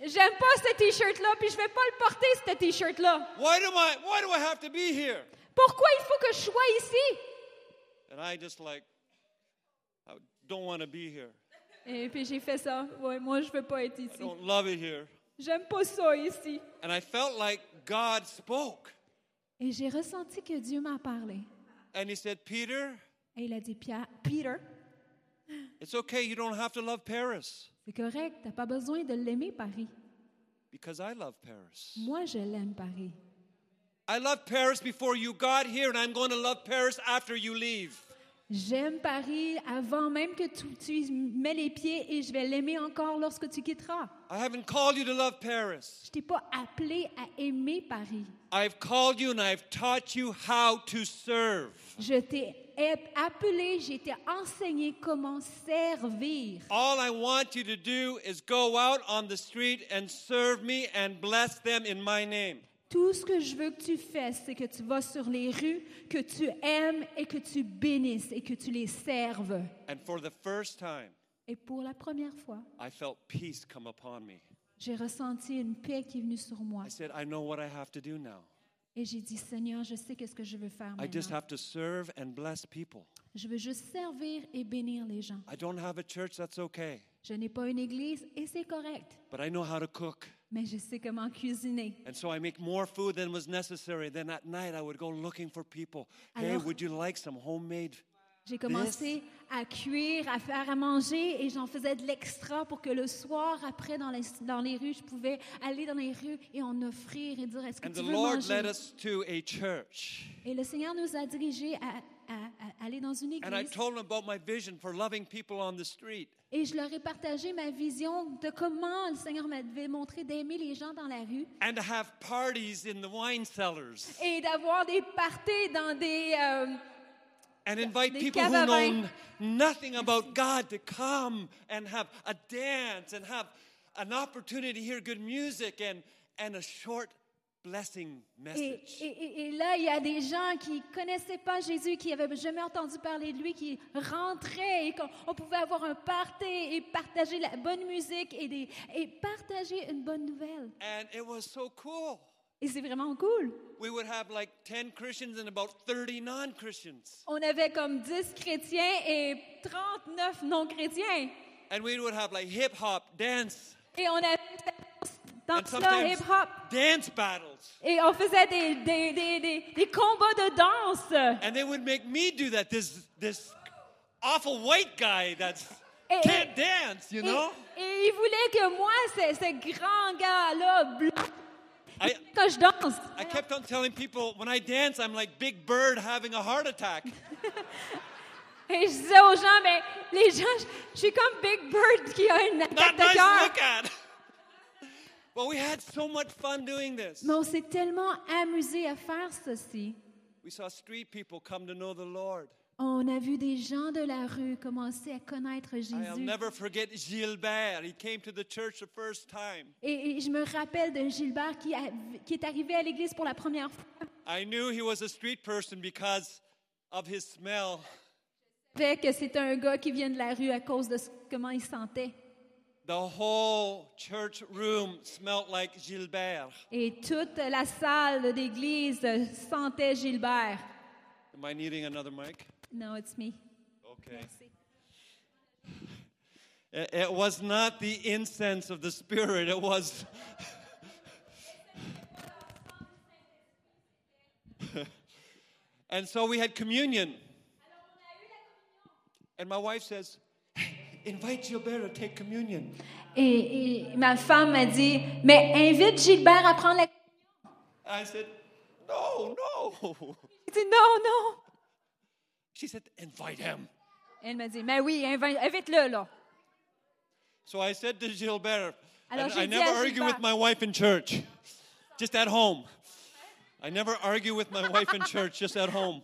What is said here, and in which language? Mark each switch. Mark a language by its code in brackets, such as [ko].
[fr] J'aime pas ce t-shirt-là, puis je vais pas le porter, ce t-shirt-là. [en] Why do I have to be here? [fr] Pourquoi il faut que je sois ici? [en] And I just like, I don't want to be here. [fr] Et puis j'ai fait ça. Ouais, moi, je veux pas être ici. [en] I don't love it here. [fr] J'aime pas ça ici. [en] And I felt like God spoke. [fr] Et j'ai ressenti que Dieu m'a parlé. [en] And he said, Peter. [fr] Et il a dit, Peter. [en] It's okay, you don't have to love Paris. [fr] C'est correct, t'as pas besoin de l'aimer Paris. [en] Because I love Paris. [fr] Moi, je l'aime Paris. [en] I love Paris before you got here, and I'm going to love Paris after you leave. [fr] J'aime Paris avant même que tu mets les pieds, et je vais l'aimer encore lorsque tu quitteras. [en] I haven't called you to love Paris. [fr] Je t'ai pas appelé à aimer Paris. [en] I've called you and I've taught you how to serve. [fr] Je t'ai appelé, j'ai été enseigné comment servir. [en] All I want you to do is go out on the street and serve me and bless them in my name. [fr] Tout ce que je veux que tu fasses, c'est que tu vas sur les rues, que tu aimes et que tu bénisses et que tu les serves. [en] And for the first time, [fr] et pour la première fois, [en] I felt peace come upon me. [fr] J'ai ressenti une paix qui est venue sur moi. [en] I said, I know what I have to do now. [fr] Et j'ai dit, Seigneur, je sais qu'est-ce que je veux faire maintenant. [en] I just have to serve and bless people. [fr] Je veux juste servir et bénir les gens. [en] I don't have a church, that's okay. [fr] Je n'ai pas une église et c'est correct. [en] But I know how to cook. [fr] Mais je sais comment cuisiner. [en] And so I make more food than was necessary. Then at night I would go looking for people. Hey, would you like some homemade? [fr] J'ai commencé à cuire, à faire à manger et j'en faisais de l'extra pour que le soir après dans les rues, je pouvais aller dans les rues et en offrir et dire est-ce que [en] and [fr] tu veux [en] Lord [fr] manger? [en] Led us to a church. [fr] Et le Seigneur nous a dirigés à aller dans une église. [en] And I told them about my vision for loving people on the street. [fr] Et je leur ai partagé ma vision de comment le Seigneur m'avait montré d'aimer les gens dans la rue. [en] And to have parties in the wine cellars. [fr] Et d'avoir des parties dans des [en] and invite people who know nothing about God to come and have a dance and have an opportunity to hear good music and a short blessing message. [fr] Et là, il y a des gens qui connaissaient pas Jésus, qui avaient jamais entendu parler de lui, qui rentraient et qu'on pouvait avoir un party et partager la bonne musique et partager une bonne nouvelle. [en] And it was so cool. [fr] Et c'est vraiment cool. [en] We would have like 10 Christians and about 30 non-Christians. [fr] On avait comme 10 chrétiens et 39 non-chrétiens. [en] And we would have like hip-hop, dance. [fr] Et on avait dance, hip-hop. [en] Dance battles. [fr] Et on faisait des combats de danse. [en] And they would make me do that, this awful white guy that's can't dance, you know? [fr] Et ils voulaient que moi, ce grand gars-là, blanc, [en] I kept on telling people when I dance, I'm like Big Bird having a heart attack. [fr] Et je disais aux gens, mais les gens, je suis comme Big Bird qui a une attaque [en] not [fr] de [en] nice [fr] cœur. [en] To look at. Well, we had so much fun doing this. [fr] Mais on s'est tellement amusé à faire ceci. [en] We saw street people come to know the Lord. [fr] On a vu des gens de la rue commencer à connaître Jésus. [en] I'll never forget Gilbert. He came to the church the first time. [fr] Et je me rappelle de Gilbert qui est arrivé à l'église pour la première fois. [en] I knew he was a street person because of his smell. [fr] Je savais que c'était un gars qui vient de la rue à cause de comment il sentait. [en] The whole church room smelled like Gilbert. [fr] Et toute la salle d'église sentait Gilbert. [en] Am I needing another mic? No, it's me. Okay. It was not the incense of the Spirit. It was... And so we had communion. And my wife says, hey, invite Gilbert to take communion. [fr] Et ma femme m'a dit, mais invite Gilbert à prendre la communion. [en] I said, no, no. [fr] Il dit, non, non. [en] She said, invite him. [fr] Elle m'a dit, mais oui, invite-le, là. [en] So I said to Gilbert, [fr] alors, [en] I never argue [fr] Gilbert [en] with my wife in church, just at home. I never argue with my wife in church, just at home.